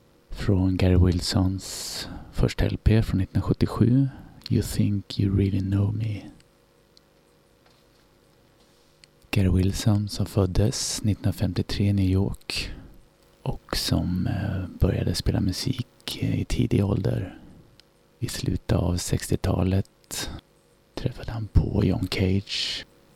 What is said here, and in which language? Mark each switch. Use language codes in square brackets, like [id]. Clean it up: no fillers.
[sv] Från Gary Wilsons första LP från 1977. [en] You think you really know me. [sv] Gary Wilson som föddes 1953 i New York. Och som började spela musik i tidig ålder. I slutet av 60-talet träffade han på John Cage.